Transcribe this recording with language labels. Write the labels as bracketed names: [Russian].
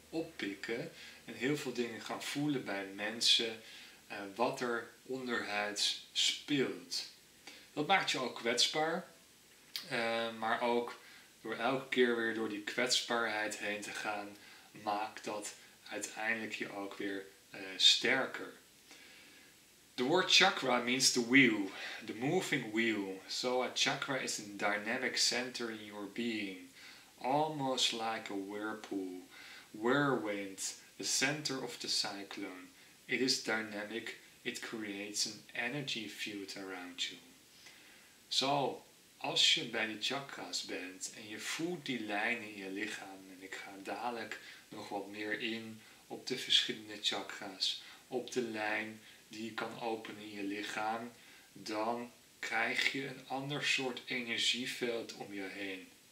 [Dutch] oppikken en heel veel dingen gaan voelen bij mensen, wat er onderhuids speelt. Dat maakt je al kwetsbaar, maar ook door elke keer weer door die kwetsbaarheid heen te gaan, maakt dat uiteindelijk je ook weer sterker. [English] The word chakra means the wheel, the moving wheel. So a chakra is a dynamic center in your being, almost like a whirlpool, whirlwind, the center of the cyclone. It is dynamic, it creates an energy field around you. [Dutch] So, als je bij de chakras bent en je voelt die lijnen in je lichaam, en ik ga dadelijk nog wat meer in op de verschillende chakras, op de lijn die je kan openen in je lichaam, dan krijg je een ander soort energieveld om je heen.